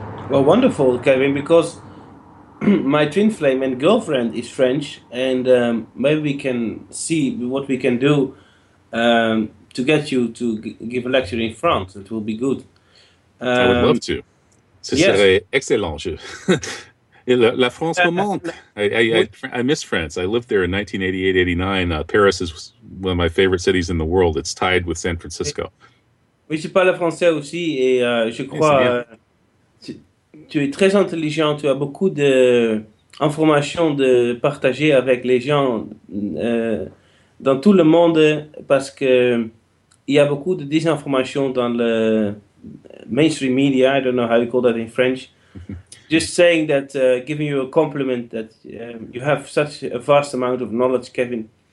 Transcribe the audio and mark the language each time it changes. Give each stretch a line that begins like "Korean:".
English: Well, wonderful, Kevin, because my twin flame and girlfriend is French, and maybe we can see what we can do to get you to give a lecture in France. It will be good. I would love to.
French: Serait excellent. La France me manque.
English: I miss France. I lived there in 1988-89. Paris is one of my favorite cities in the world. It's tied with San Francisco.
French: Oui, je parle français aussi, et je crois... Tu es très intelligent, tu as beaucoup d'informations de partager avec les gens dans tout le monde parce qu'il y a beaucoup de désinformation dans le mainstream media.
English: I don't know how you call that in French. Just saying that, giving you a compliment that you have such a vast amount of knowledge, Kevin.